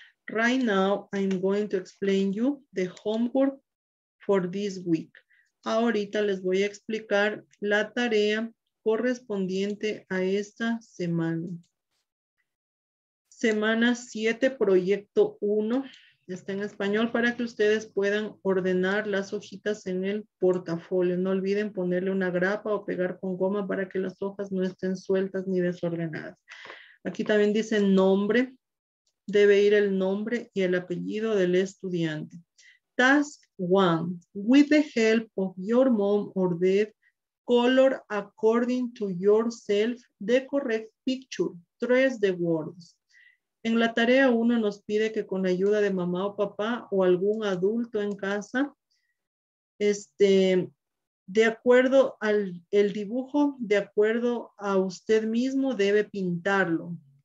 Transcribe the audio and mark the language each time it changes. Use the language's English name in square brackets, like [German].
[English] Right now, I'm going to explain you the homework for this week. [Spanish] Ahorita les voy a explicar la tarea correspondiente a esta semana. Semana 7, proyecto 1. Está en español para que ustedes puedan ordenar las hojitas en el portafolio. No olviden ponerle una grapa o pegar con goma para que las hojas no estén sueltas ni desordenadas. Aquí también dice nombre. Debe ir el nombre y el apellido del estudiante. [English] Task 1. With the help of your mom or dad, color according to yourself the correct picture. 3 the words. [Spanish] En la tarea 1 nos pide que con la ayuda de mamá o papá o algún adulto en casa, de acuerdo al el dibujo, de acuerdo a usted mismo, debe pintarlo.